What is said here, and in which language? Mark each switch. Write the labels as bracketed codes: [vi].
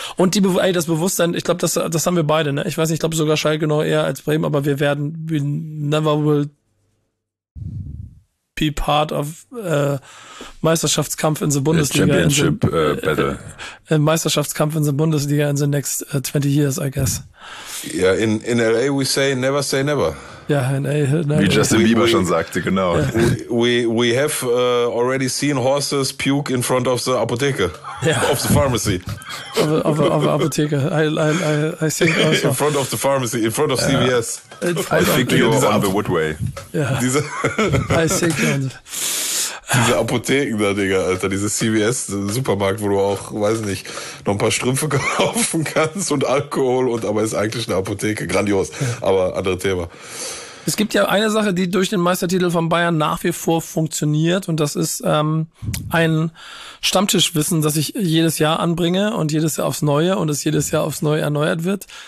[de] Und das Bewusstsein, ich glaube, das haben wir beide, ne? Ich weiß nicht, ich glaube sogar Schalke noch eher als Bremen, aber wir werden, [en] we never will be part of [de] Meisterschaftskampf [en] in the Bundesliga. Championship Battle. Meisterschaftskampf in the Bundesliga in the next 20 years, I guess. Ja, in LA we say never say never. [de] Ja, nein. Wie Justin Bieber schon sagte, genau. Ja. [en] We have already seen horses puke in front of the Apotheke. Ja. Of the pharmacy. Of the Apotheke. I think also. In front of the pharmacy, in front of CVS. I think you're on the Woodway. Ja. I think you're [de] diese Apotheken da, Digga, Alter, diese CVS, Supermarkt, wo du auch, weiß nicht, noch ein paar Strümpfe kaufen kannst und Alkohol und aber ist eigentlich eine Apotheke. Grandios, aber anderes Thema. Es gibt ja eine Sache, die durch den Meistertitel von Bayern nach wie vor funktioniert und das ist ein Stammtischwissen, das ich jedes Jahr anbringe und jedes Jahr aufs Neue und es jedes Jahr aufs Neue erneuert wird.